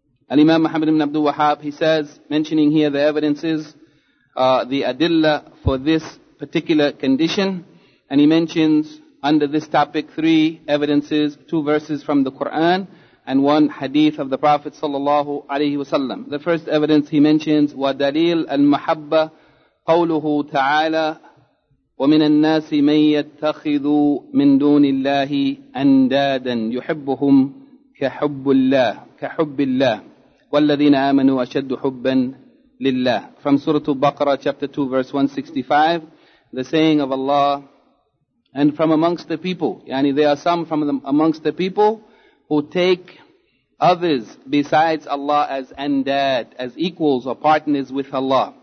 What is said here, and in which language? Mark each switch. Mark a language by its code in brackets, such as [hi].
[en] Al-Imam Muhammad ibn Abdul Wahhab, he says, mentioning here the evidences, the adilla for this particular condition. And he mentions under this topic three evidences, two verses from the Quran, and one hadith of the Prophet sallallahu alayhi wa sallam. The first evidence he mentions, [ar] وَدَلِيلْ أَلْمَحَبَّةِ قَوْلُهُ تَعَالَى وَمِنَ النَّاسِ مَنْ يَتَّخِذُ مِنْ دُونِ اللَّهِ أَنْدَادًا يُحِبُّهُمْ كَحُبِّ اللَّهِ وَالَّذِينَ آمَنُوا أَشَدُّ حُبًّا لِلَّهِ. [en] From Surah Al-Baqarah, chapter 2, verse 165, the saying of Allah, and from amongst the people, yani there are some from them amongst the people who take others besides Allah as andad, as equals or partners with Allah.